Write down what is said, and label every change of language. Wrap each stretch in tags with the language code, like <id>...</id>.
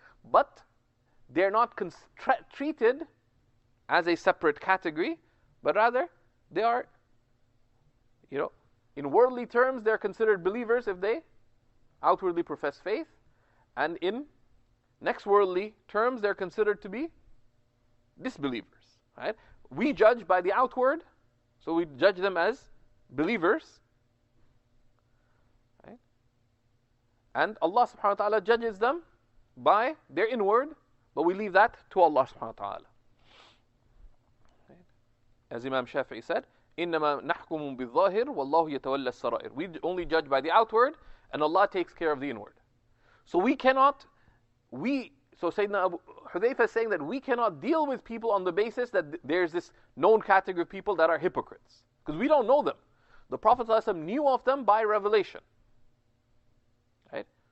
<en>But they're not treated as a separate category, but rather they are, you know, in worldly terms, they're considered believers if they outwardly profess faith, and in next worldly terms, they're considered to be disbelievers, right? We judge by the outward, so we judge them as believers, right? And Allah subhanahu wa ta'ala judges them by their inward, but we leave that to Allah subhanahu wa ta'ala. As Imam Shafi'i said,</en> <ar>إِنَّمَا نَحْكُمُ بِالظَّاهِرِ وَاللَّهُ يَتَوَلَّى السَّرَائِرِ.</ar> <en>We only judge by the outward, and Allah takes care of the inward. So we cannot, so Sayyidina Abu Hudhayfa is saying that we cannot deal with people on the basis that there's this known category of people that are hypocrites, because we don't know them. The Prophet ﷺ knew of them by revelation. Right?</en>